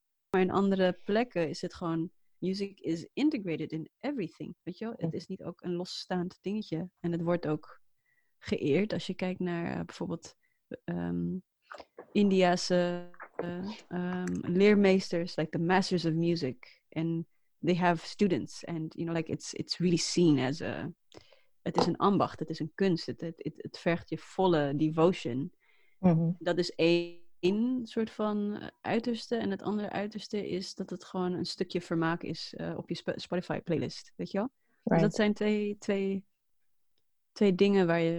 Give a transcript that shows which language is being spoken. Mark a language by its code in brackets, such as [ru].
[nl] Maar in andere plekken is het gewoon... [en] Music is integrated in everything, [nl] weet je wel? Het is niet ook een losstaand dingetje. En het wordt ook geëerd als je kijkt naar bijvoorbeeld Indiase leermeesters, [en] like the masters of music. And they have students. And, you know, like it's really seen as a... [nl] Het is een ambacht, het is een kunst. Het vergt je volle devotion. Mm-hmm. Dat is één soort van uiterste. En het andere uiterste is dat het gewoon een stukje vermaak is op je Spotify playlist. Weet je wel? [en] Right. [nl] Dus dat zijn twee dingen waar je...